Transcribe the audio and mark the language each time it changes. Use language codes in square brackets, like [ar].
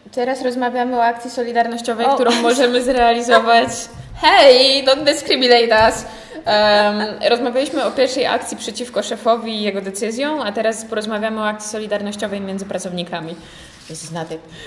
[pl] Teraz rozmawiamy o akcji solidarnościowej, którą możemy zrealizować. [en] Hey, don't discriminate us! [pl] Rozmawialiśmy o pierwszej akcji przeciwko szefowi i jego decyzjom, a teraz porozmawiamy o akcji solidarnościowej między pracownikami. Jezus, na tym.